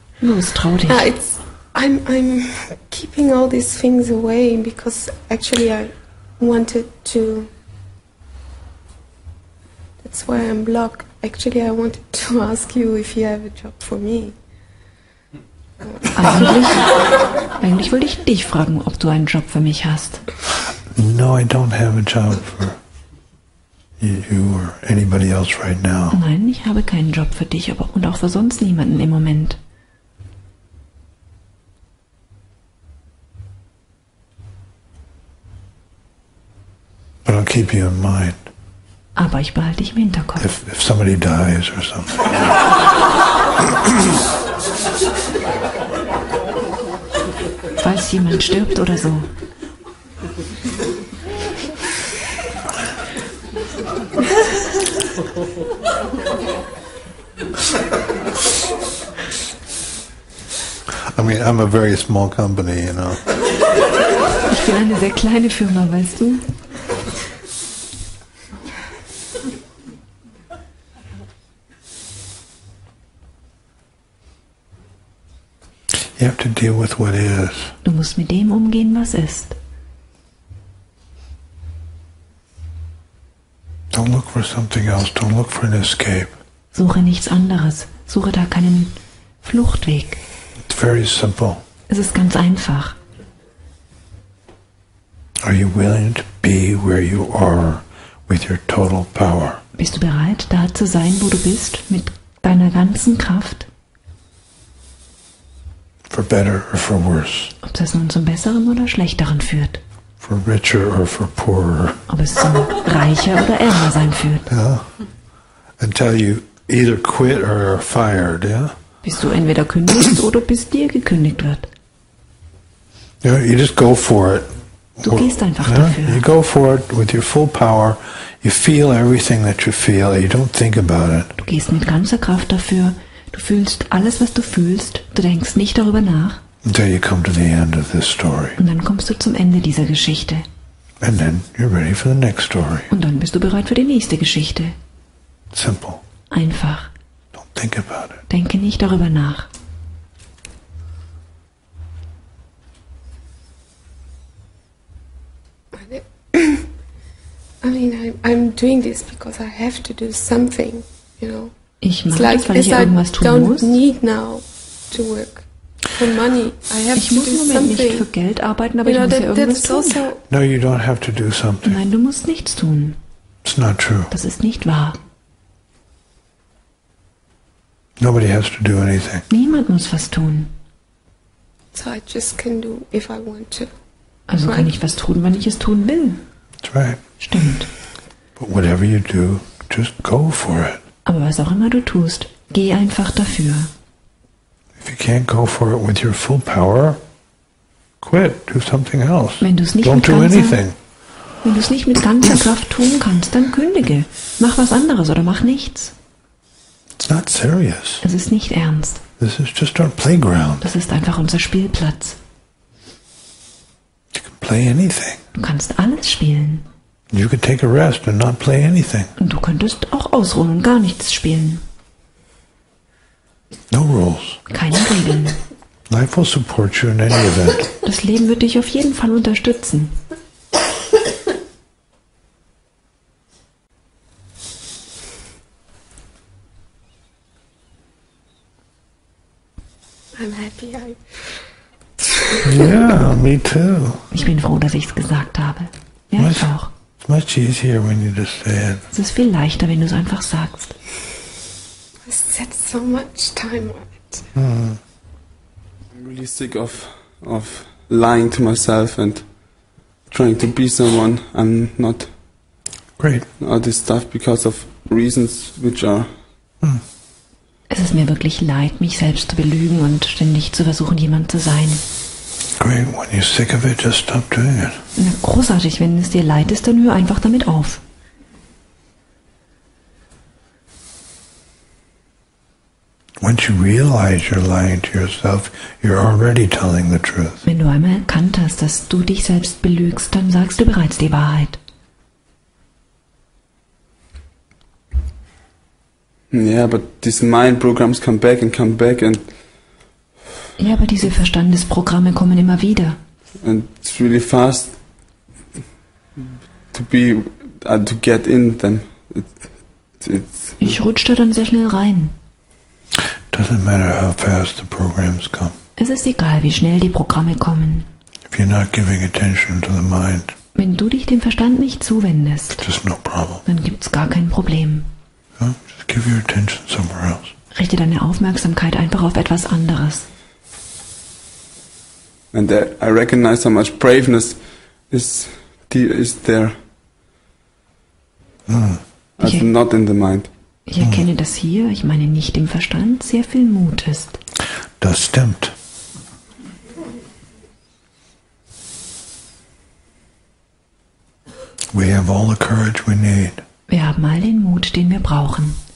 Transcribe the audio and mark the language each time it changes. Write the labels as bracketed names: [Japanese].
[German] Los, trau dich. [English] I'm keeping all these things away because actually I wanted to. That's why I'm blocked. Actually, I wanted to ask you if you have a job for me. [German] Eigentlich wollte ich dich fragen, ob du einen Job für mich hast. [English] No, I don't have a job for you or anybody else right now. [German] Nein, ich habe keinen Job für dich aber, und auch für sonst niemanden im Moment. [English] But I'll keep you in mind. [German] Aber ich behalte dich im Hinterkopf. [English] If somebody dies or something. [German] Falls jemand stirbt oder so. [English] I mean, I'm a very small company, you know. [German] Ich bin eine sehr kleine Firma, weißt du? [English] You have to deal with what is. [German] Du musst mit dem umgehen, was ist. [English] Don't look for something else. Don't look for an escape. [German] Suche nichts anderes. Suche da keinen Fluchtweg. [English] It's very simple. [German] Es ist ganz einfach. [English] Are you willing to be where you are with your total power? [German] Bist du bereit, da zu sein, wo du bist, mit deiner ganzen Kraft? [English] For better or for worse. [German] Ob das nun zum Besseren oder Schlechteren führt. [English] For richer or for poorer. [German] Ob es zum Reicher oder Ärmer sein führt. [English] Yeah. Until you either quit or are fired, yeah? [German] Bis du entweder kündigst oder bis dir gekündigt wird. [English] Yeah, you just go for it. [German] Du gehst einfach dafür. [English] You go for it with your full power. You feel everything that you feel. You don't think about it. [German] Du gehst mit ganzer Kraft dafür. Du fühlst alles, was du fühlst. Du denkst nicht darüber nach. [English] Until you come to the end of this story. [German] Und dann kommst du zum Ende dieser Geschichte. [English] And then you're ready for the next story. [German] Und dann bist du bereit für die nächste Geschichte. [English] Simple. [German] Einfach. [English] Don't think about it. [German] Denke nicht darüber nach. [English] I mean, I'm doing this because I have to do something, you know. [German] Ich mache das, weil ich irgendwas tun muss. [English] I don't need now to work for money. I have to do something. [German] Ich muss nicht für Geld arbeiten, aber ich muss ja irgendwas tun. [English] No, you don't have to do something. [German] Nein, du musst nichts tun. [English] It's not true. [German] Das ist nicht wahr. [English] Nobody has to do anything. [German] Niemand muss was tun. [English] So I just can do if I want to. [German] Also kann ich was tun, wenn ich es tun will. [English] That's right. [German] Stimmt. [English] But whatever you do, just go for it. [German] Aber was auch immer du tust, geh einfach dafür. [English] If you can't go for it with your full power, quit. Do something else. [German] Wenn du es nicht [English] Don't [German] mit ganzer, [English] do anything. [German] Wenn du es nicht mit ganzer Kraft tun kannst, dann kündige. Mach was anderes oder mach nichts. [English] It's not serious. [German] Es ist nicht ernst. [English] This is just our playground. [German] Das ist einfach unser Spielplatz. [English] You can play anything. [German] Du kannst alles spielen. [English] You could take a rest and not play anything. [German] Und du könntest auch ausruhen und gar nichts spielen. [English] No rules. [German] Keine Regeln. [English] Life will support you in any event. [German] Das Leben wird dich auf jeden Fall unterstützen. [English] I'm happy. Yeah, me too. [German] Ich bin froh, dass ich es gesagt habe. Ja, was? Ich auch. [English] It's much easier when you just say it. [German] Es ist viel leichter, wenn du es einfach sagst. [English] I spent so much time on it. I'm really sick of lying to myself and trying to be someone I'm not. Great. All this stuff because of reasons which are. [German] Es ist mir wirklich leid, mich selbst zu belügen und ständig zu versuchen, jemand zu sein. [English] Great, when you're sick of it, just stop doing it. [German] Na, großartig, wenn es dir leid ist, dann hör einfach damit auf. [English] Once you realize you're lying to yourself, you're already telling the truth. [German] Wenn du einmal erkannt hast, dass du dich selbst belügst, dann sagst du bereits die Wahrheit. [English] Yeah, but these mind programs come back and come back and. [German] Ja, aber diese Verstandesprogramme kommen immer wieder. [English] And it's really fast to be to get in them. [German] Ich rutsch da dann sehr schnell rein. [English] Doesn't matter how fast the programs come. [German] Es ist egal, wie schnell die Programme kommen. [English] If you're not giving attention to the mind. [German] Wenn du dich dem Verstand nicht zuwendest. [English] There's no problem. [German] Dann gibt's gar kein Problem. [English] Just give your attention somewhere else. [German] Richte deine Aufmerksamkeit einfach auf etwas anderes. [English] And there, I recognize how much braveness is there. Mm. I'm not in the mind. [German] Ich erkenne, dass hier, ich meine nicht im Verstand, sehr viel Mut ist. Das stimmt. [English] We have all the courage we need. [German] Wir haben all den Mut, den wir brauchen.